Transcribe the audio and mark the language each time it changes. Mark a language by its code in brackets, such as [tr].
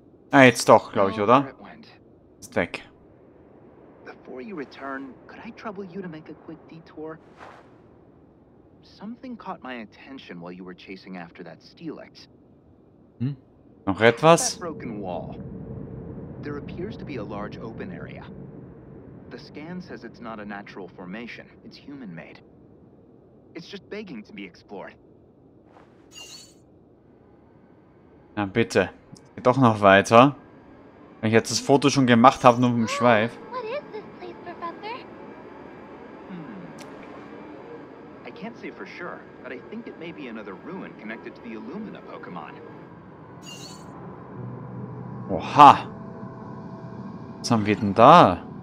[de] Ah, jetzt doch, glaube ich, oder? Ist weg. Bevor du zurückkommst, könnte ich dich versuchen, einen kurzen Detour zu machen? Etwas hat meine Attention, während du nach dem Steelix gejagt hast. Noch etwas? [en] There appears to be a large open area. The scan says it's not a natural formation, it's human-made. It's just begging to be explored. [de] Na bitte, geht doch noch weiter. Wenn ich jetzt das Foto schon gemacht habe, nur mit dem Schweif. [en] What is this place, Professor? I can't say for sure, but I think it may be another ruin connected to the Illumina Pokémon. [de] Oha! Was haben wir denn da?